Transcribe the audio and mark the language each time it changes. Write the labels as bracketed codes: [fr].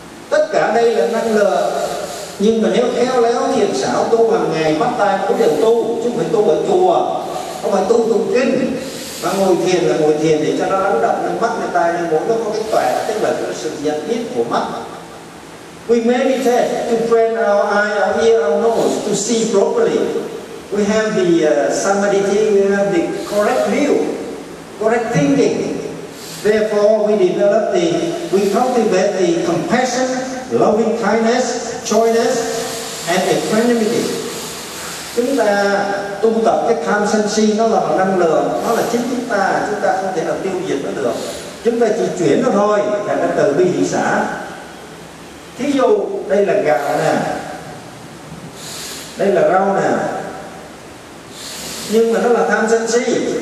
[vi] Tất cả đây là năng lượng, nhưng mà nếu khéo léo thiền xảo tu hàng ngày, bắt tay cũng đều tu, chứ không phải tu ở chùa, không phải tu tụng kinh. Mà ngồi thiền là ngồi thiền để cho nó lắng động, nên mắt người ta nên mỗi nó có cái tuệ, tức là cái sự nhận biết của mắt. [en] We meditate to train our eye, our ear, our nose to see properly. We have the samadhi, we have the correct view, correct thinking. Therefore, we develop the, we cultivate the compassion, loving kindness, joyness, and equanimity. [vi] Chúng ta tu tập cái tham sân si, nó là một năng lượng, nó là chính chúng ta không thể nào tiêu diệt nó được. Chúng ta chỉ chuyển nó thôi, là cái từ bi hỷ xả. Thí dụ đây là gạo nè, đây là rau nè, nhưng mà nó là tham sân si.